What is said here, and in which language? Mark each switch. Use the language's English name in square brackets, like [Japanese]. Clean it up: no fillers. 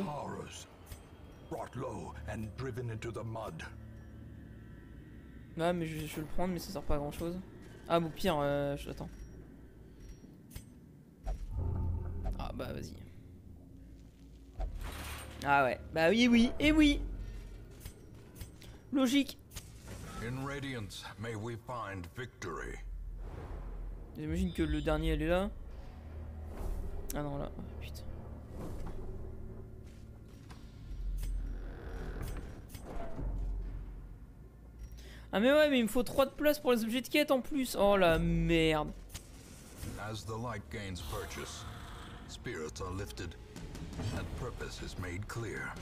[English] Horrors, brought low and driven into the mud. [French] Ah, mais je vais le prendre, mais ça sert pas à grand chose. Ah bon, pire, j'attends. Ah bah vas-y. Ah ouais, bah oui, oui, et oui. Logique. [English] In Radiance, may we find victory. [French] J'imagine que le dernier elle est là. Ah non, là, oh, putain. Ah mais ouais, mais il me faut 3 de place pour les objets de quête en plus. Oh la merde. [English] As the light gains purchase, spirits are lifted and purpose is made clear.